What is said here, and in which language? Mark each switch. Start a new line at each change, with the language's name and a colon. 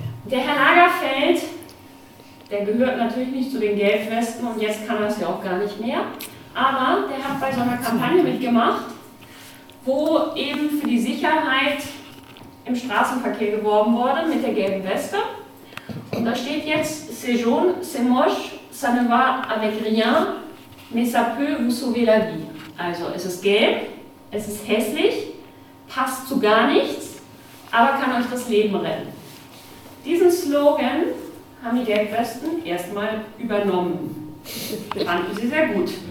German: Der Herr Lagerfeld, der gehört natürlich nicht zu den Gelbwesten und jetzt kann er es ja auch gar nicht mehr, aber der hat bei so einer Kampagne mitgemacht, wo eben für die Sicherheit im Straßenverkehr geworben wurde mit der gelben Weste. Und da steht jetzt,
French: c'est jaune, c'est moche, ça ne va avec rien, mais ça peut vous sauver la vie.
German: Also es ist gelb, es ist hässlich, passt zu gar nichts, aber kann euch das Leben retten. Diesen Slogan haben die Gelbwesten erstmal übernommen. Fanden sie sehr gut.